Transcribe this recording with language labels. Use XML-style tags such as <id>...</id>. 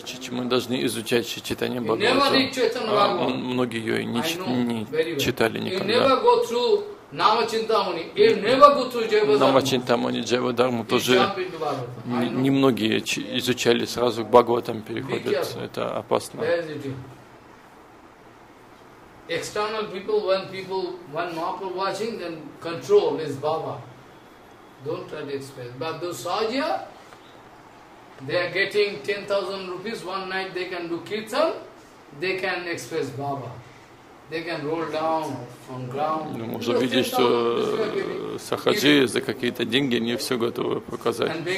<ru>Мы должны изучать Шри Чайтанья Бхагавату. А он, многие ее не, не читали никогда. Намачинтамуни, Джайвадарму тоже немногие изучали, сразу к Бхагаватам переходят. Это опасно.</ru> <en>External people, when people, when Mahaprabhu watching, then control is Baba. Don't try to express. But those Sajya, they are getting 10,000 rupees one night, they can do kirtan, they can express Baba.</en> <ru>Ну, можно видеть, что сахаджи за какие-то деньги не все готовы показать.</ru>